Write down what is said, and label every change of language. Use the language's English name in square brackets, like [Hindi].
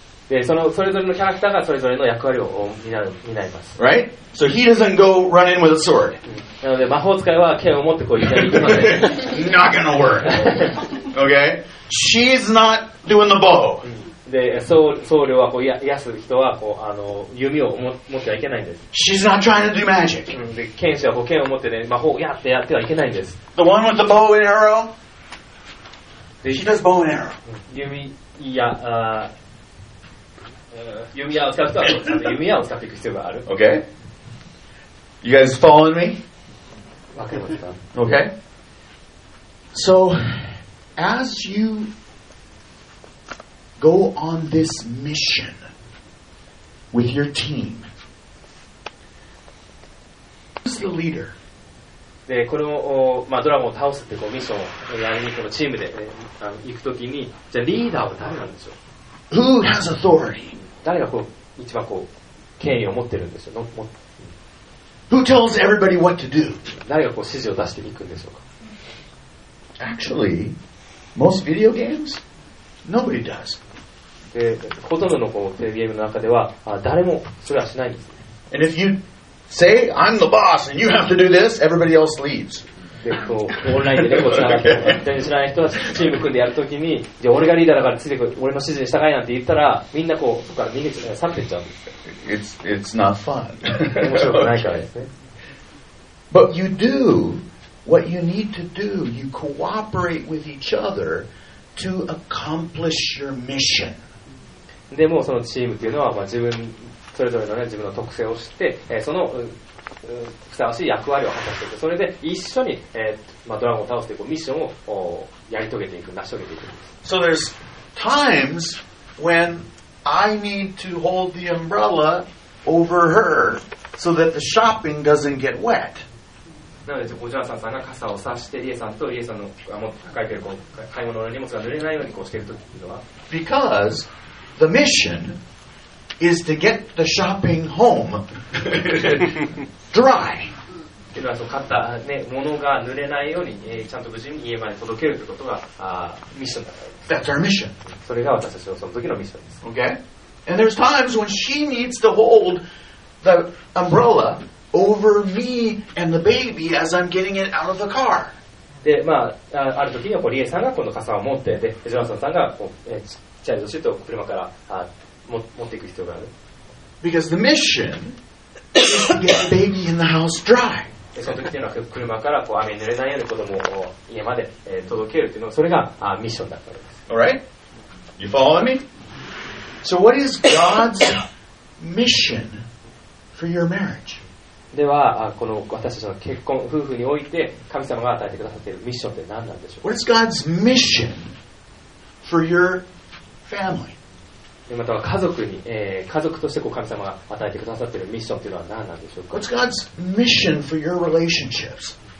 [Japanese] で、そのそれぞれのキャラクターがそれぞれの役割を担います。 [English] Right? So he doesn't go run in with a sword. [Japanese] なので魔法使いは剣を持ってこう行かないので。 [English] Not gonna work. Okay? She's not doing the bow. [Japanese] で、僧侶はこう癒す人はこうあの弓を持ってはいけないんです。 [English] She's not trying to do magic. [Japanese] で、剣士はこう剣を持ってね魔法をやってはいけないんです。 [English] The one with the bow and arrow. She does bow and arrow. [Japanese] 弓や弓矢を使う人はそうです。弓矢を使っていく必要がある。 [English] OK? You guys following me? [Japanese] 分かりました。 [English] OK? So, as you go on this mission with your team, who's the leader? [Japanese] で、この、まあ、ドラゴンを倒すってこうミッションをやりにこのチームで、行くときに、じゃあリーダーは誰なんでしょう? [English] Who has authority? [Japanese] 誰がこう一番こう権威を持ってるんですよ。 [English] Who tells everybody what to do? [Japanese] 誰がこう指示を出していくんでしょうか。 [English] Actually, most video games, nobody does. [Japanese] で、ほとんどのこうテレビゲームの中では誰もそれはしないんですね。 [English] And if you say I'm the boss and you have to do this, everybody else leaves. [Japanese] でこうオンラインでこうつながって全然知らない人たちチーム組んでやるときに、じゃ俺がリーダーだからついてくる、俺の指示に従いなんて言ったら、みんなこうそこから逃げちゃう、去っていっちゃうんですよ。 [English] It's not fun. [Japanese] 面白くないからですね。 [English] But you do what you need to do. You cooperate with each other to accomplish your mission. [Japanese] でもそのチームっていうのは、まあ、自分それぞれのね自分の特性を知って、そのふさわしい役割を果たしていく、それで一緒に、まあ、ドラゴンを倒すというミッションをやり遂げていく、成し遂げていく。 [English] So there's times when I need to hold the umbrella over her so that the shopping doesn't get wet. [Japanese] なので、お嬢さんが傘を差して、リエさんとリエさんの持って抱えているこう買い物の荷物が濡れないようにこうしているときは。 [English] Because the mission. Is to get the shopping home dry. [Japanese] というのはその買った、ね、ものが濡れないように、ちゃんと無事に家まで届けるということがミッションだからです。 [English] That's our mission. [Japanese] それが私たちのその時のミッションです。 [English] Okay. And there's times when she needs to hold the umbrella over me and the baby as I'm getting it out of the car. [Japanese] で、まあ、ある時にはこうリエさんがこの傘を持って、で、ジョナサンさんがこう、チャイルドシート車から持っていく必要がある。 [English] Because the mission is to get the baby in the house dry. [Japanese] その時というのは車からこう雨濡れないように子供を家まで届けるというのはそれがミッションだったわけです。 [English] All right? You following me? So what is God's mission for your marriage? [Japanese] ではこの私たちの結婚夫婦において神様が与えてくださっているミッションって何なんでしょう。 [English] What is God's mission for your family? [Japanese] または家族に、家族としてこう神様が与えてくださっているミッションというのは何なんでしょうか。 [English] What's God's mission for your relationships?